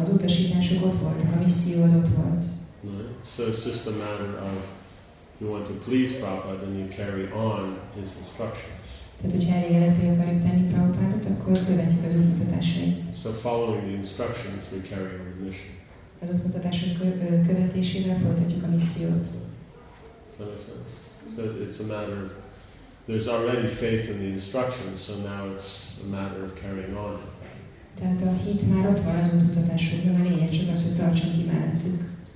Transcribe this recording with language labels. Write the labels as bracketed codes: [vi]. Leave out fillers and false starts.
[hu] Az utasítások ott voltak, a misszió az ott volt. [en] So it's just a matter of you want to please Prabhupada, then you carry on his instructions. [hu] Tehát, hogyha elégedetté akarjuk tenni Prabhupádot, akkor követjük az útmutatásait. [en] So following the instructions, we carry on the mission. [hu] Az útmutatások követésével folytatjuk a missziót. [en] So that makes sense. So it's a matter of there's already faith in the instructions, so now it's a matter of carrying on. [hu] Tehát a hit már ott van az útmutatásokban, a lényeg csak az, hogy tartson ki mellettük.